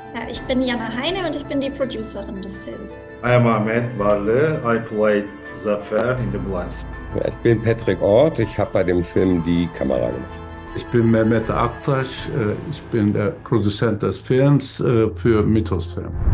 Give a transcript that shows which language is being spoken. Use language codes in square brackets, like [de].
[de] Ich bin Jana Heine und ich bin die Producerin des Films. [en] I am Ahmed Valle, I play Zafar in the Blast. [de] Ich bin Patrick Ort, ich habe bei dem Film die Kamera gemacht. Ich bin Mehmet Aktaş, ich bin der Produzent des Films für Mythos Film.